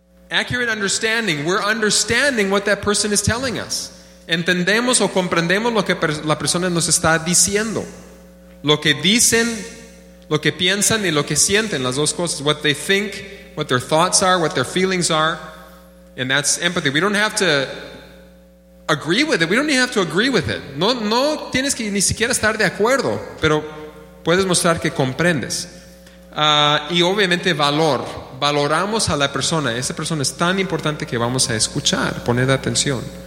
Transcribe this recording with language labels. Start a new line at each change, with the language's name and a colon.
English: Accurate understanding. We're understanding what that person is telling us.
Spanish: Entendemos o comprendemos lo que la persona nos está diciendo. Lo que dicen, lo que piensan y lo que sienten, las dos cosas.
English: What they think, what their thoughts are, what their feelings are. And that's empathy. We don't have to agree with it. We don't even have to agree with it.
Spanish: No tienes que ni siquiera estar de acuerdo, pero puedes mostrar que comprendes. Y obviamente valor. Valoramos a la persona. Esa persona es tan importante que vamos a escuchar, poner atención.